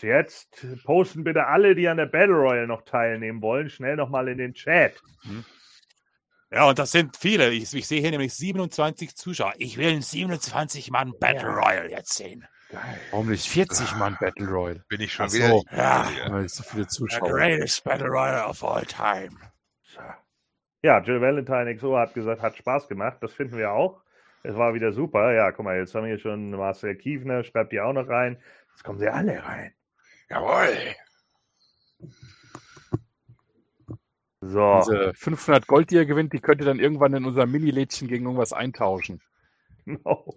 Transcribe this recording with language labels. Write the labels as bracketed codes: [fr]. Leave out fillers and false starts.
[de] Jetzt posten bitte alle, die an der Battle Royale noch teilnehmen wollen, schnell nochmal in den Chat. Ja, und das sind viele. Ich sehe hier nämlich 27 Zuschauer. Ich will 27 Mann Battle Royale jetzt sehen. Geil. Warum nicht 40 Mann Battle Royale? Bin ich schon wieder. Ja, weil so viele Zuschauer. [en] The greatest Battle Royale of all time. So. [de] Ja, Jill Valentine XO hat gesagt, hat Spaß gemacht. Das finden wir auch. Es war wieder super. Ja, guck mal, jetzt haben wir schon Marcel Kiefner, schreibt die auch noch rein. Jetzt kommen sie alle rein. Jawohl. So. Diese 500 Gold, die ihr gewinnt, die könnt ihr dann irgendwann in unser Mini-Lädchen gegen irgendwas eintauschen. [en] No.